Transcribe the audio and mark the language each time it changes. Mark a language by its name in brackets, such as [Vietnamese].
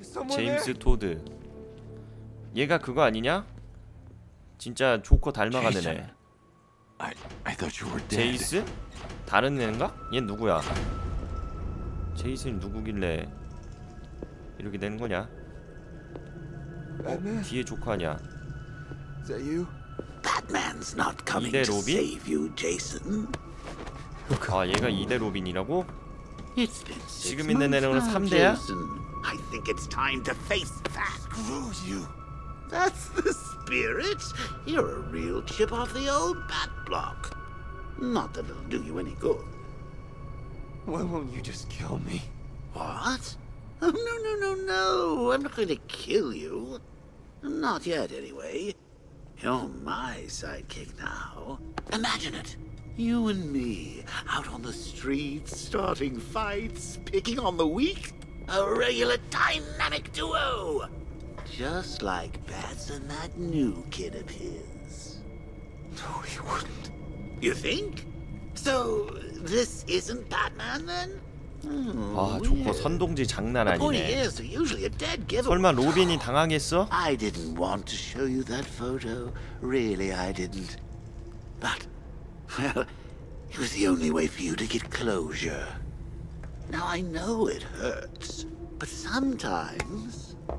[Korean] 제임스 토드. 얘가 그거 아니냐? 진짜 조커 닮아가네. [English] I thought you were dead. [Korean] 제이슨? 다른 애인가? 얘 누구야? 제이슨이 누구길래 이렇게 된 거냐? [English] Batman? [Korean] 뒤에 조커 아니야? [English] Is that you? Batman's not coming to save you, Jason. [Korean] 아, 얘가 이대 로빈이라고? [English] It's been [Korean] 지금 있는 애는 3대야? [English] I think it's time to face facts. Screw you. That's the spirit. You're a real chip off the old bat block. Not that it'll do you any good. Why won't you just kill me? What? Oh, no, no, no, no. I'm not going to kill you. Not yet, anyway. You're my sidekick now. Imagine it. You and me, out on the streets, starting fights, picking on the weak. A regular dynamic duo. Just like Bats and that new kid of his. No, he wouldn't. You think? So, this isn't Batman then? [Korean] Hmm, 아, 조커 선동지 장난 아니네. [English] Is, usually a dead giveaway. [Korean] 설마 로빈이 당황했어? [English] I didn't want to show you that photo. Really, I didn't. But, well, it was the only way for you to get closure. Now, I know it hurts, but sometimes...